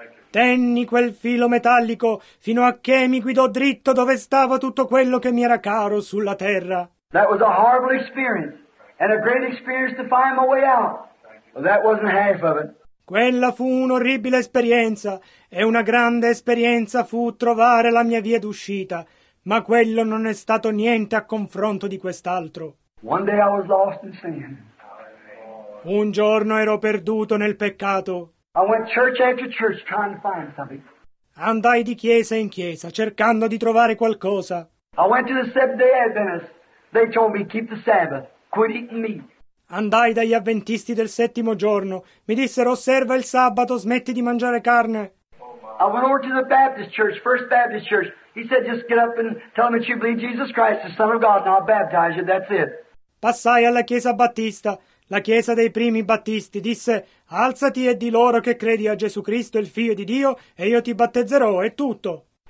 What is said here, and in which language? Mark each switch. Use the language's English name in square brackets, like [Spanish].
[Italian] Tenni quel filo metallico fino a che mi guidò dritto dove stava tutto quello che mi era caro sulla terra. [English] That was a horrible experience and a great experience to find my way out. But that wasn't half of it. [Italian] Quella fu un'orribile esperienza e una grande esperienza fu trovare la mia via d'uscita, ma quello non è stato niente a confronto di quest'altro. [English] One day I was lost in sin. [Italian] Un giorno ero perduto nel peccato. [English] I went church after church trying to find something. [Italian] Andai di chiesa in chiesa cercando di trovare qualcosa. [English] I went to the Seventh-day Adventists. They told me keep the Sabbath, quit eating meat. [Italian] Andai dagli avventisti del settimo giorno. Mi dissero osserva il sabato, smetti di mangiare carne. [English] I went over to the Baptist church, First Baptist church. He said just get up and tell them that you believe Jesus Christ, the Son of God, and I'll baptize you. That's it. [Italian] Passai alla chiesa battista. La chiesa dei primi battisti disse, alzati e di loro che credi a Gesù Cristo, il Figlio di Dio, e io ti battezzerò, è tutto.